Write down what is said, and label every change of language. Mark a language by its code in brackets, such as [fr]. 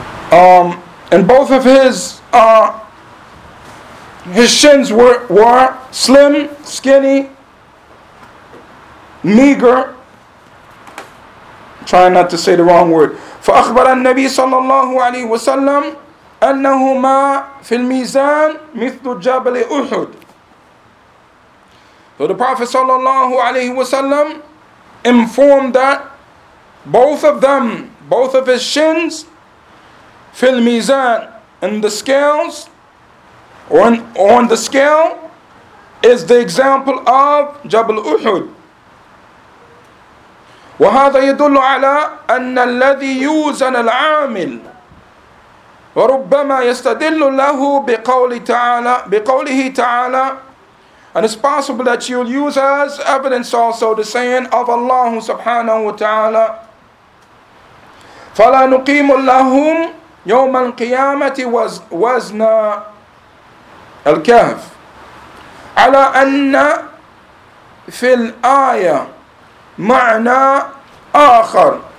[en] Skinny. And both of his shins were slim, skinny, meager. Trying not to say the wrong word. [ar] فأخبر النبي صلى الله عليه وسلم أنهما في الميزان مثل جبل أحد. [en] So the Prophet sallallahu alaihi wasallam informed that both of them, both of his shins, fil mizan, in the scales, on the scale, is the example of Jabal Uhud. [ar] وهذا يدل على أن الذي يوزن العامل وربما يستدل له بقوله تعالى. [en] And it's possible that you'll use as evidence also the saying of Allah subhanahu wa ta'ala. [ar] فَلَا نُقِيمُ لَهُمْ يَوْمَ الْقِيَامَةِ وَزْنَا الْكَهْفِ. عَلَىٰ أَنَّ فِي الْآيَةِ مَعْنَىٰ آخَرِ.